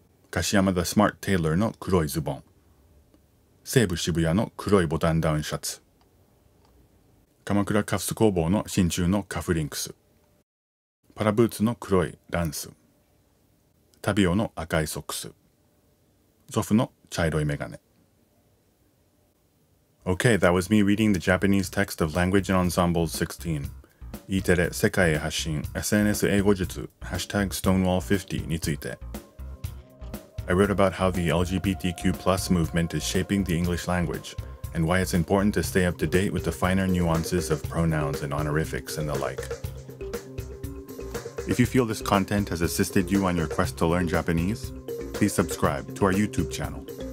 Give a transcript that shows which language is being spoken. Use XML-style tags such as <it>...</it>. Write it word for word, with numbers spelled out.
<ja>樫山 The Smart Taylor の黒いズボン。西武渋谷の黒いボタンダウンシャツ。鎌倉カフス工房の真鍮のカフリンクス。パラブーツの黒いランス。タビオの赤いソックス。ゾフの茶色いメガネ。</ja> <en>Okay, that was me reading the Japanese text of Language and Ensembles sixteen.</en> <ja>Eテレ世界へ発信 エスエヌエス 英語術 ハッシュタグ ストーンウォール フィフティ について。</ja> <en>I wrote about how the L G B T Q plus movement is shaping the English language, and why it's important to stay up to date with the finer nuances of pronouns and honorifics and the like. If you feel this content has assisted you on your quest to learn Japanese, please subscribe to our YouTube channel.</en>